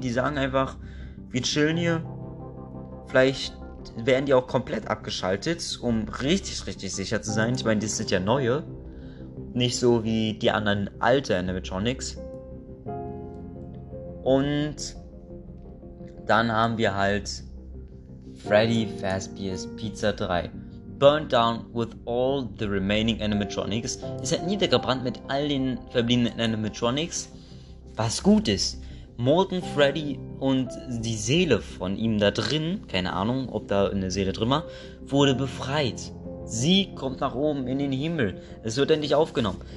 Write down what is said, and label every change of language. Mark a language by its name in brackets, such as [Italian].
[German] Die sagen einfach, wir chillen hier. Vielleicht werden die auch komplett abgeschaltet, um richtig, richtig sicher zu sein. Ich meine, die sind ja neue. Nicht so wie die anderen alten Animatronics. Und dann haben wir halt Freddy Fazbear's Pizza 3. [English] Burned down with all the remaining animatronics. [German] Ist halt niedergebrannt mit all den verbliebenen animatronics. Was gut ist, Molten Freddy und die Seele von ihm da drin, keine Ahnung, ob da eine Seele drin war, wurde befreit. Sie kommt nach oben in den Himmel. Es wird endlich aufgenommen.